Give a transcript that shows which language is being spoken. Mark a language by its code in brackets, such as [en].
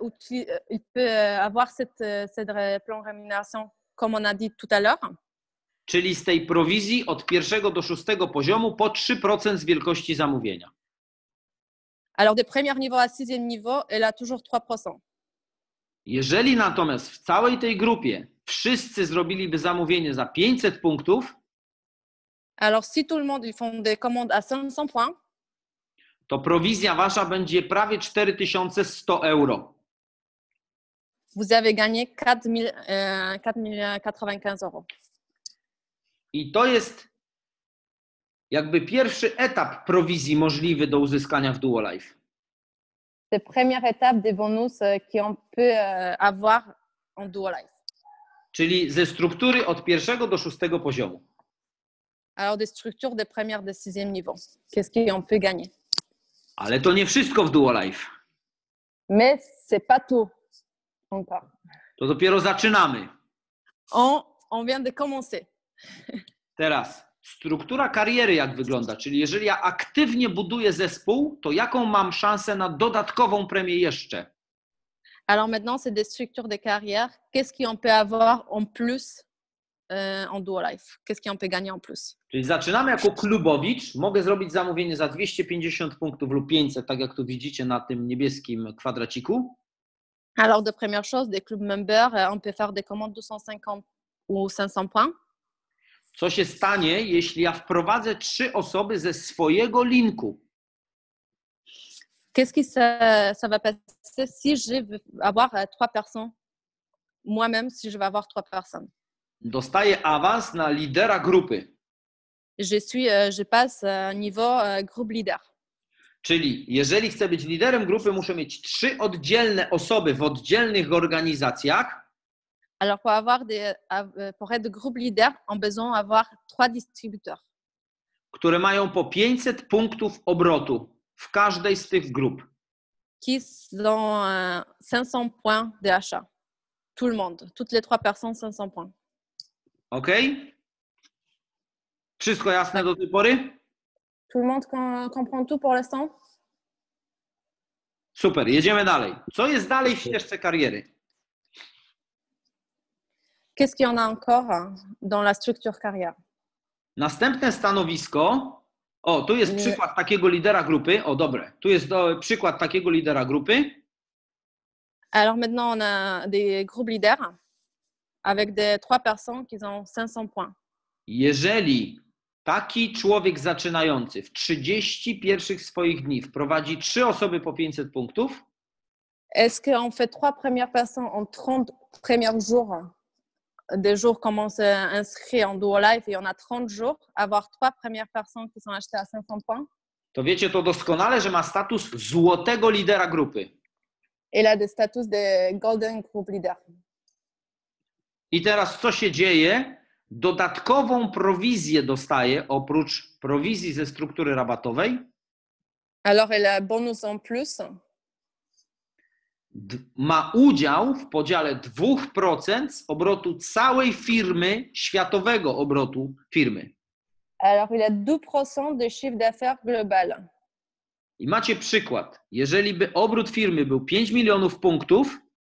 [fr] Il peut avoir cette plan rémunération comme on a dit tout à l'heure. [pl] Czyli z tej prowizji od pierwszego do szóstego poziomu po 3% z wielkości zamówienia. [fr] Alors de premier niveau à sixième niveau, elle a toujours 3%. [pl] Jeżeli natomiast w całej tej grupie wszyscy zrobiliby zamówienie za 500 punktów, [fr] alors si tout le monde ils font des commandes à 500 points, [pl] to prowizja wasza będzie prawie 4100 euro. [fr] Vous avez gagné 4095 euros. [pl] I to jest jakby pierwszy etap prowizji możliwy do uzyskania w Duolife. [fr] C'est la première étape des bonus qu'on peut avoir en Duolife. [pl] Czyli ze struktury od pierwszego do szóstego poziomu. [fr] Alors des structures de première de sixième niveau. Qu'est-ce qu'on peut gagner? [pl] Ale to nie wszystko w Duolife. [fr] Mais c'est pas tout encore. [pl] To dopiero zaczynamy. [fr] On vient de commencer. [pl] Teraz, struktura kariery jak wygląda? Czyli jeżeli ja aktywnie buduję zespół, to jaką mam szansę na dodatkową premię jeszcze? [fr] Alors maintenant, c'est des structures de carrière. Qu'est-ce qu'on peut avoir en plus en Duolife? Qu'est-ce qu'on peut gagner en plus? [pl] Czyli zaczynamy jako klubowicz. Mogę zrobić zamówienie za 250 punktów lub 500, tak jak tu widzicie na tym niebieskim kwadraciku. [fr] Alors de première chose, des club members, on peut faire des commandes 250 ou 500 points. [pl] Co się stanie, jeśli ja wprowadzę trzy osoby ze swojego linku? [fr] Qu'est-ce qui ça va passer si je vais avoir trois personnes? Moi-même, si je vais avoir trois personnes. [pl] Dostaję awans na lidera grupy. [fr] Je passe niveau groupe leader. [pl] Czyli jeżeli chcę być liderem grupy, muszę mieć trzy oddzielne osoby w oddzielnych organizacjach. [fr] Alors pour être groupe leader, on besoin avoir trois distributeurs. [pl] Które mają po 500 punktów obrotu w każdej z tych grup. [fr] Qui ont 500 points d'achat. Tout le monde, toutes les trois personnes 500 points. OK. [pl] Wszystko jasne do tej pory? [fr] Tout le monde comprend tout pour l'instant? [pl] Super, jedziemy dalej. Co jest dalej w ścieżce kariery? [fr] Qu'est-ce qu'il y en a encore dans la structure carrière? [pl] Następne stanowisko. O, tu jest przykład takiego lidera grupy. O, dobre. Tu jest przykład takiego lidera grupy. [fr] Alors maintenant on a des groupes leaders avec des trois personnes qui ont 500 points. [pl] Jeżeli taki człowiek zaczynający w 31 swoich dni wprowadzi trzy osoby po 500 punktów. [fr] Est-ce qu'on fait trois premières personnes en 30 premiers jours? Des jours qu'on s'inscrit en Duolife et on a 30 jours, avoir trois premières personnes qui sont achetées à 500 points. [pl] To wiecie to doskonale, że ma status złotego lidera grupy. [fr] Il a des status de golden group leader. [pl] I teraz co się dzieje? Dodatkową prowizję dostaje oprócz prowizji ze struktury rabatowej. [fr] Alors, il a bonus en plus. [pl] ma udział w podziale 2% z obrotu całej firmy, światowego obrotu firmy. [fr] Alors, il a 2% de chiffre d'affaires global. [pl] I macie przykład. Jeżeli by obrót firmy był 5 milionów punktów,